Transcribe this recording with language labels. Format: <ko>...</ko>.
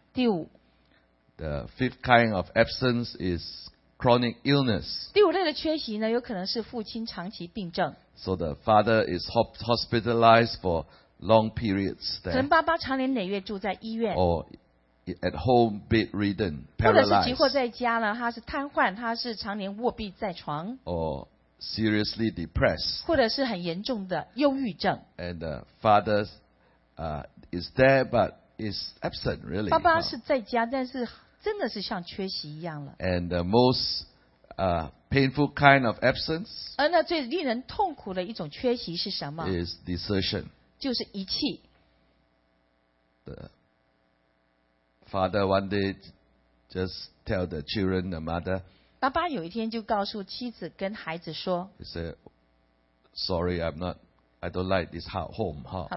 <zh>所以呢，父亲对孩子的漠不关心，造成孩子生命情感的重创很大。第五。The</zh> <en>fifth kind of absence is chronic illness.</en> <zh>第五类的缺席呢，有可能是父亲长期病症。</zh> <en>So the father is hospitalized for long periods there.</en> <zh>可能爸爸长年累月住在医院。</zh> <en>Or at home bedridden, paralyzed.</en> <zh>或者是急迫在家呢，他是瘫痪，他是常年卧病在床。</zh> <en>Or seriously depressed.</en> <zh>或者是很严重的忧郁症。</zh> <en>And the father is there but is absent really.</en> <zh>爸爸是在家，但是 真的是像缺席一样了。</zh> <en>And the most painful kind of absence,</en> <zh>而那最令人痛苦的一种缺席是什么？</zh> <en>Is desertion.</en> <zh>就是遗弃。</zh> <en>The father one day just tell the children, the mother,</en> <zh>爸爸有一天就告诉妻子跟孩子说，</zh> <en>he said, sorry, I don't like this home.</en>